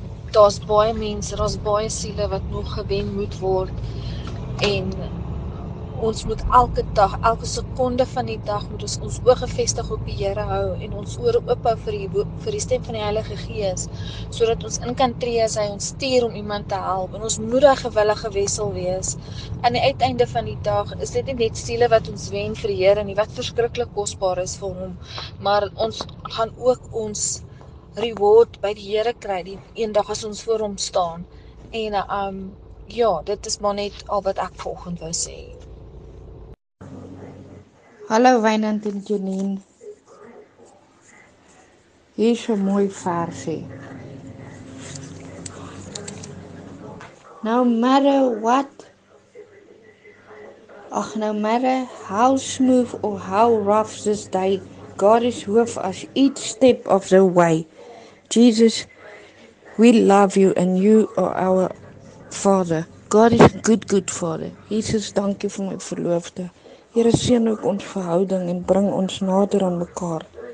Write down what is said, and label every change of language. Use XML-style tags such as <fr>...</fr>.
<af>daar's baie mense, daar's baie siele wat nog gewen moet word, en ons moet elke dag, elke sekonde van die dag moet ons oog gefestig op die Here hou en ons oor oop hou vir die stem van die Heilige Gees, sodat ons in kan tree as hy ons stuur om iemand te help, en ons moedige gewillige wessel wees. Aan die uiteinde van die dag is dit nie net siele wat ons wen vir die Here nie, wat verskriklik kosbaar is vir hom, maar ons gaan ook ons reward by die Here kry die eendag as ons voor hom staan. En ja, dit is maar net al wat ek volgende wou sê. Hallo Wynand en Janine. Hier is 'n mooi versie.</af> <en>No matter what, ach, no matter how smooth or how rough this day, God is with us each step of the way. Jesus, we love you and you are our Father. God is a good, good Father. Jesus,</en> <af>dank you vir my verloofde. Here, seën ook ons verhouding en bring ons nader aan mekaar.</af>